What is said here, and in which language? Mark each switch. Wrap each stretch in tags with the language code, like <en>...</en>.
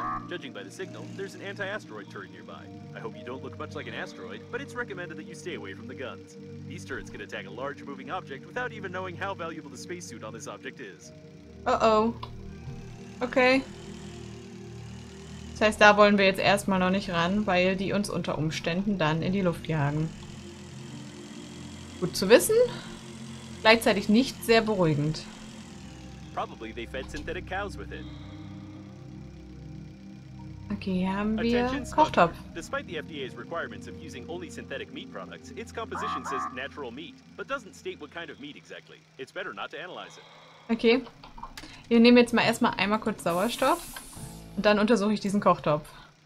<en>Judging by the signal, there's an anti-asteroid turret nearby. I hope you don't look much like an asteroid, but it's recommended that you stay away from the guns. These turrets can attack a large moving object without even knowing how valuable the spacesuit on this object is. Uh-oh. Okay.</en> <de>Das heißt, da wollen wir jetzt erstmal noch nicht ran, weil die uns unter Umständen dann in die Luft jagen. Gut zu wissen. Gleichzeitig nicht sehr beruhigend.</de> <en>Probably they fed synthetic cows with it.</en> <de>Okay, hier haben wir Kochtopf.</de> <en>Despite the FDA's requirements of using only synthetic meat products, its composition says natural meat, but doesn't state what kind of meat exactly. It's better not to analyze it. Okay.</en> <de>Wir nehmen jetzt mal erstmal einmal kurz Sauerstoff und dann untersuche ich diesen Kochtopf.</de>